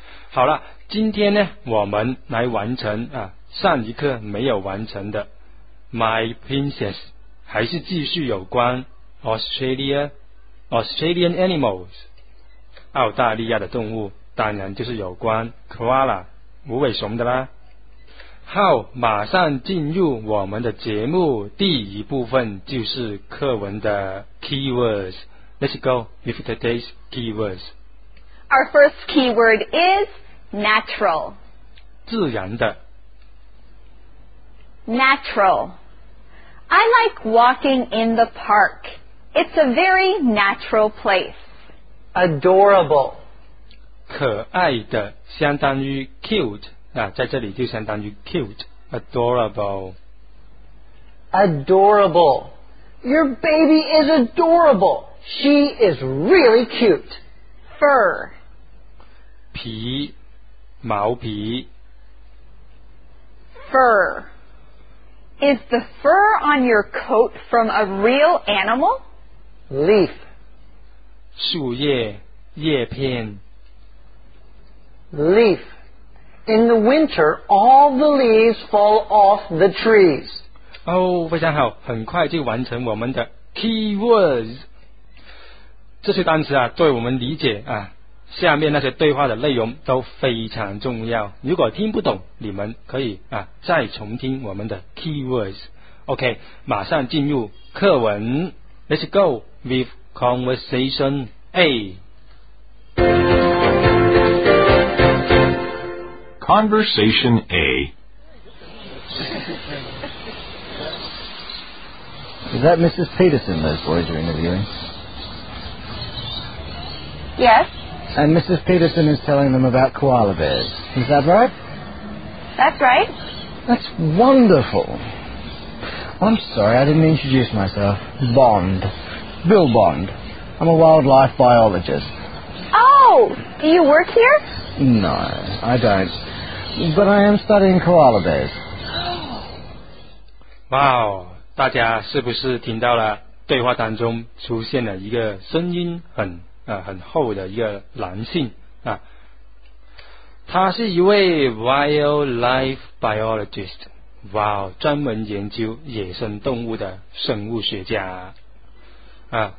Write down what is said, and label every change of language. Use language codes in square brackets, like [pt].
[zh] 好了，今天呢，我们来完成啊上一课没有完成的 My Princess， 还是继续有关 Australian Animals， 澳大利亚的动物，当然就是有关 Koala 无尾熊的啦。好，马上进入我们的节目，第一部分就是课文的 keywords。 [en] Let's go with today's keywords. Our first keyword is natural. [zh] 自然的。 [en] Natural. I like walking in the park. It's a very natural place. Adorable. [zh] 可爱的，相当于 cute。啊，在这里就相当于 cute， adorable， [en] adorable， your baby is adorable， she is really cute， fur， [zh] 皮，毛皮， [en] fur， is the fur on your coat from a real animal？ leaf， [zh] 树叶，叶片， [en] leaf。 In the winter, all the leaves fall off the trees. [zh] Oh, 非常好，很快就完成我们的 keywords。这些单词啊，对我们理解啊，下面那些对话的内容都非常重要。如果听不懂，你们可以啊再重听我们的 keywords。 OK， 马上进入课文。 [en] Let's go with conversation A. Conversation A. Is that Mrs. Peterson those boys are interviewing? Yes. And Mrs. Peterson is telling them about koala bears. Is that right? That's right. That's wonderful. I'm sorry, I didn't introduce myself. Bond. Bill Bond. I'm a wildlife biologist. Oh, do you work here? No, I don't. But I am studying koala bears. [zh] Wow, 大家是不是听到了对话当中出现了一个声音很厚的一个男性啊？他是一位 wildlife biologist. Wow, 专门研究野生动物的生物学家啊。